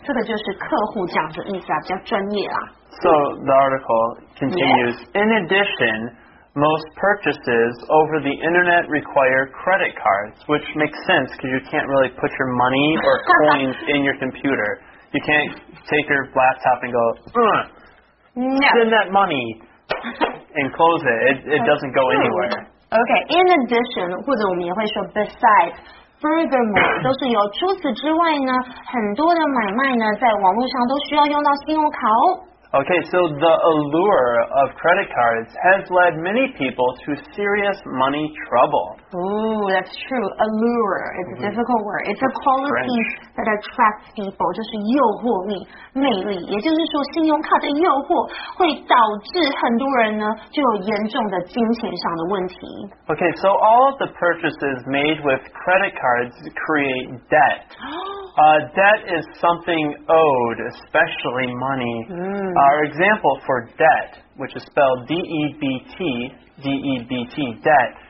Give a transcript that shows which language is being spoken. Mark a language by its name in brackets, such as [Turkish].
[Chinese] 这个就是客户这样的意思啊，比较专业啦。 [English] So the article continues, in addition, most purchases over the internet require credit cards, which makes sense because you can't really put your money or coins in your computer. You can't take your laptop and go, send that money and close it. It doesn't go anywhere. [Chinese] Okay, [English] in addition, [Chinese] 或者我们也会说 besides,Furthermore, 都是有除此之外呢，很多的买卖呢，在网络上都需要用到信用卡哦。 [English] Okay, so the allure of credit cards has led many people to serious money trouble. Ooh, that's true. Allure, it's a difficult word. It's a quality that attracts people, [Chinese] 就是诱惑力、魅力。也就是说，信用卡的诱惑会导致很多人呢，就有严重的金钱上的问题。 [English] Okay, so all of the purchases made with credit cards create debt. Debt is something owed, especially money. Our example for debt, which is spelled D-E-B-T, D-E-B-T, debt.